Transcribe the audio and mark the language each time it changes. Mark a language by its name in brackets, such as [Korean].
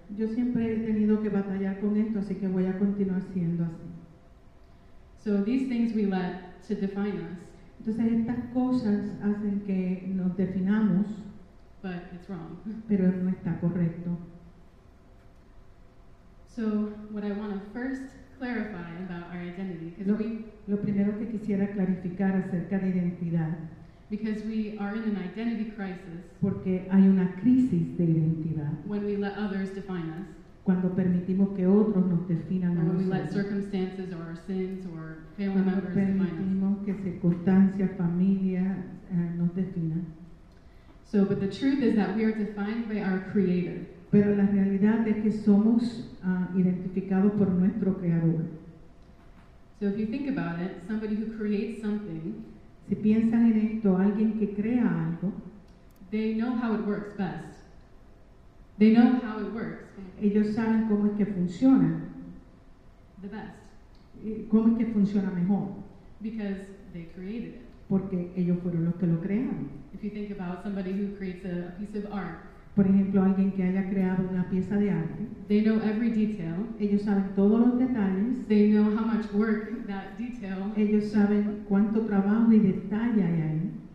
[Spanish] Yo siempre he tenido que batallar con esto, así que voy a continuar siendo así. [English] So these things we let to define us. [Spanish] Entonces estas cosas hacen que nos definamos. [English] But it's wrong. [Spanish] Pero no está correcto. [English] So what I want to first clarify about our identity, because [Spanish] lo primero que quisiera clarificar acerca de identidad. [English] Because we are in an identity crisis. [Spanish] Porque hay una crisis de identidad. [English] When we let others define us. [Spanish] Cuando permitimos que otros nos definan a nosotros. [English] When we let circumstances or our sins or family members define us. [Spanish] Cuando permitimos que circunstancias, familia, nos definan. [English] So, but the truth is that we are defined by our Creator. [Spanish] Pero la realidad es que somos identificados por nuestro Creador. [English] So if you think about it, somebody who creates something. [Spanish] Si piensas en esto, alguien que [English] They know how it works best. They know how it works. [Spanish] Ellos saben cómo es que funciona. [English] The best. [Spanish] ¿Cómo es que funciona mejor? [English] Because they created it. [Spanish] Porque ellos fueron los que lo crearon. [English] If you think about somebody who creates a piece of art. [Spanish] Por ejemplo, alguien que haya creado una pieza de arte. [English] They know every detail. [Spanish] Ellos saben todos los detalles. [English] They know how much work that detail. [Spanish] Ellos saben cuánto trabajo y detalle hay ahí.